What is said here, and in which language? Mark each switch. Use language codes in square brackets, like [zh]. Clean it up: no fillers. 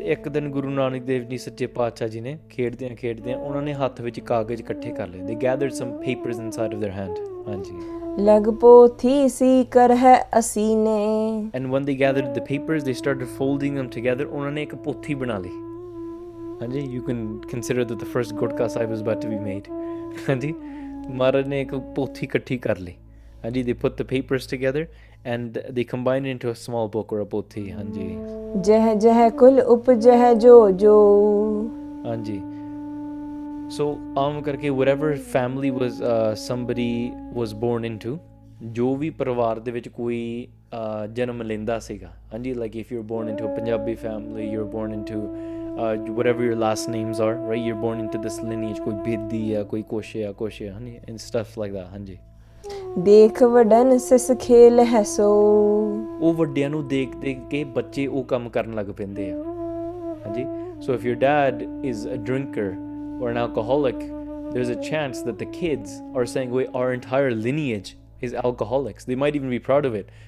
[pa] ਇੱਕ ਦਿਨ ਗੁਰੂ ਨਾਨਕ ਦੇਵ ਜੀ ਸੱਚੇ ਪਾਤਸ਼ਾਹ ਜੀ ਨੇ ਖੇਡਦਿਆਂ ਉਹਨਾਂ ਨੇ ਹੱਥ ਵਿੱਚ ਕਾਗਜ਼ ਇਕੱਠੇ ਕਰ ਲਏ. [en] They gathered some papers inside of their hand. [pa] ਹਾਂਜੀ, ਲਗ ਪੋਥੀ ਸੀ ਕਰ ਹੈ ਅਸੀਨੇ. [en] And when they gathered the papers, they started folding them together. [pa] ਉਹਨਾਂ ਨੇ ਇੱਕ ਪੋਥੀ ਬਣਾ ਲਈ. [en] ਹਾਂਜੀ, you can consider that the first Gutka Sahib is about to be made. [pa] ਹਾਂਜੀ, ਮਹਾਰਾਜ ਨੇ ਇੱਕ ਪੋਥੀ ਇਕੱਠੀ ਕਰ ਲਈ. [en] ਹਾਂਜੀ, they put papers together and they combine into a small book or a pothi. [pa] Hanji jah jah kul upjah jo jo. Hanji, so aam karke [en] whatever family was somebody was born into, [pa] jo vi parivar de vich koi janm lenda siga. [en] Hanji, like if you're born into a Punjabi family, you're born into whatever your last names are, right, you're born into this lineage, [pa] koi Bedi ya koi Koshia, [en] hani, and stuff like that. [pa] Hanji, ਦੇਖ ਵੱਡਨ ਸਿਸ ਖੇਲ ਹੈ ਸੋ. ਉਹ ਵੱਡਿਆਂ ਨੂੰ ਦੇਖ ਦੇਖ ਕੇ ਬੱਚੇ ਉਹ ਕੰਮ ਕਰਨ ਲੱਗ ਪੈਂਦੇ ਆ. [en] ਹਾਂਜੀ, so if your dad is a drinker or an alcoholic, there is a chance that the kids are saying we are entire lineage is alcoholics, they might even be proud of it.